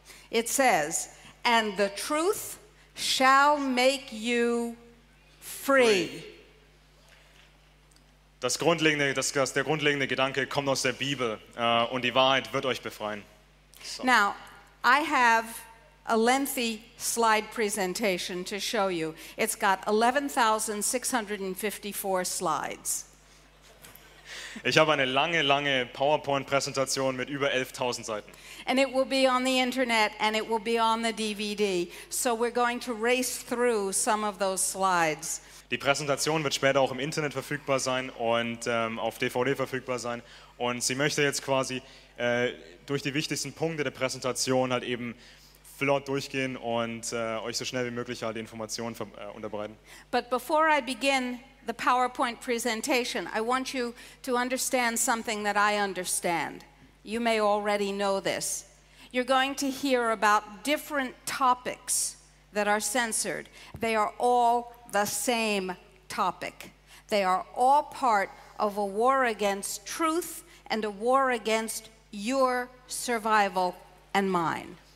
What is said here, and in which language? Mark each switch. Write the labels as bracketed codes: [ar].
[en] It says, "And the truth shall make you free." [de] Der grundlegende Gedanke kommt aus der Bibel und die Wahrheit wird euch befreien. [en] So. Now, I have a lengthy slide presentation to show you. It's got 11,654 slides. [de] Ich habe eine lange PowerPoint-Präsentation mit über 11.000 Seiten. [en] And it will be on the internet and it will be on the DVD. So we're going to race through some of those slides. [de] Die Präsentation wird später auch im Internet verfügbar sein und auf DVD verfügbar sein. Und sie möchte jetzt quasi durch die wichtigsten Punkte der Präsentation halt eben flott durchgehen und euch so schnell wie möglich halt die Informationen unterbreiten. [en] But before I begin the PowerPoint presentation, I want you to understand something that I understand. You may already know this. You're going to hear about different topics that are censored. They are all the same topic. They are all part of a war against truth and a war against your survival and mine.